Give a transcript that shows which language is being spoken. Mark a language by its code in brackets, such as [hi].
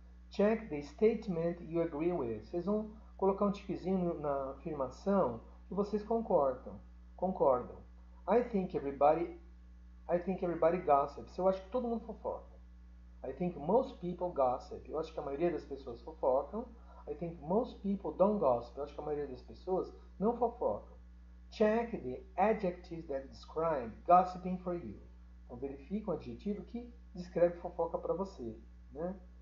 [en] Check the statement you agree with. [pt] Vocês vão colocar um tiquezinho na afirmação que vocês concordam. [en] Concordam. I think everybody gossips. [pt] Eu acho que todo mundo fofoca. [en] I think most people gossip. [pt] Eu acho que a maioria das pessoas fofocam. [en] I think most people don't gossip. [pt] Eu acho que a maioria das pessoas não fofocam. [en] Check the adjectives that describe gossiping for you. [pt] Então, verifique um adjetivo que descreve fofoca para você, né?